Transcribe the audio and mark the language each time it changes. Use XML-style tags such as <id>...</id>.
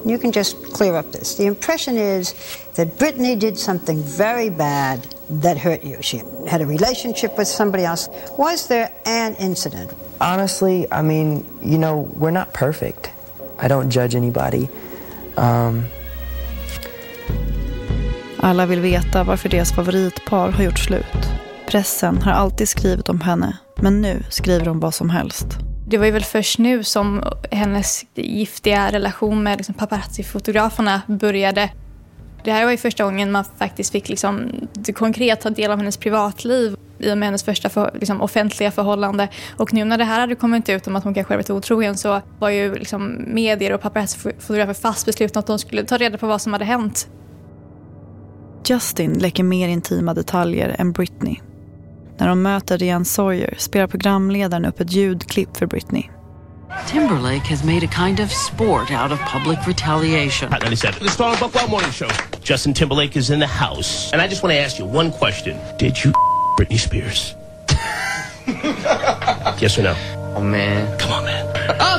<en>You can just clear up this. The impression is that Britney did something very bad that hurt you. She had a relationship with somebody else. Was there an incident? Honestly, I mean, you know, we're not perfect. I don't judge anybody.</en> <sv>Alla vill veta varför deras favoritpar har gjort slut. Pressen har alltid skrivit om henne, men nu skriver de vad som helst. Det var ju väl först nu som hennes giftiga relation med liksom paparazzi-fotograferna började. Det här var ju första gången man faktiskt fick liksom konkret ta del av hennes privatliv i och med hennes första liksom offentliga förhållande. Och nu när det här hade kommit ut om att hon kanske hade varit otrogen, så var ju liksom medier och paparazzi-fotografer fast beslutna att de skulle ta reda på vad som hade hänt. Justin läcker mer intima detaljer än Britney. När de möter Diane Sawyer spelar programledaren upp ett ljudklipp för Britney.</sv> <en>Timberlake has made a kind of sport out of public retaliation. Hot 97. The Star and Buck Wild Morning Show. Justin Timberlake is in the house. And I just want to ask you one question. Did you Britney Spears? Yes or no? Oh, man. Come on, man.</en>